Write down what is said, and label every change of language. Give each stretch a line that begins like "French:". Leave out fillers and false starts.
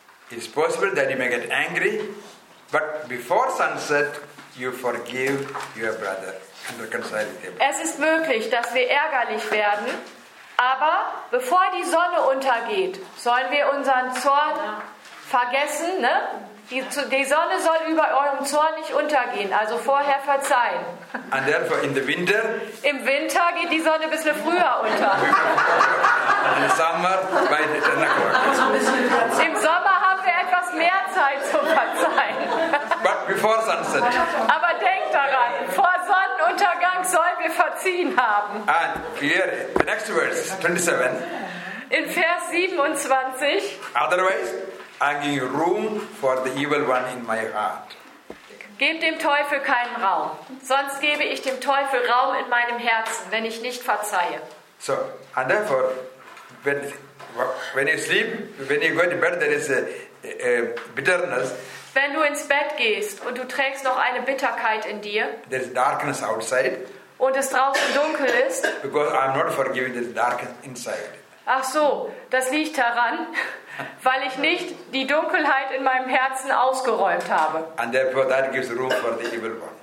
English: It's possible that you may get angry, but before sunset you forgive your brother and reconcile with him.
German: Es ist möglich, dass wir ärgerlich werden, aber bevor die Sonne untergeht, sollen wir unseren Zorn vergessen, ne? Die Sonne soll über eurem Zorn nicht untergehen, also vorher verzeihen.
English: And therefore in the winter.
German: Im Winter geht die Sonne ein bisschen früher unter.
English: In the summer, by the 10 o'clock.
German: Im Sommer haben wir etwas mehr Zeit zum Verzeihen.
English: But before sunset.
German: Aber denkt daran, vor Sonnenuntergang sollen wir verziehen haben.
English: And here, the next verse, 27.
German: In Vers 27.
English: Otherwise. Giving room for the evil one in my heart.
German: Gebt dem Teufel keinen Raum. Sonst gebe ich dem Teufel Raum in meinem Herzen, wenn ich nicht verzeihe.
English: So, and therefore, when you sleep, when you go to bed, there is a bitterness.
German: Wenn du ins Bett gehst und du trägst noch eine Bitterkeit in dir.
English: There is darkness outside.
German: Und es draußen dunkel ist.
English: Because I'm not forgiving the darkness inside.
German: Ach so, das liegt daran, weil ich nicht die Dunkelheit in meinem Herzen ausgeräumt habe.
English: And therefore that gives room for the evil one.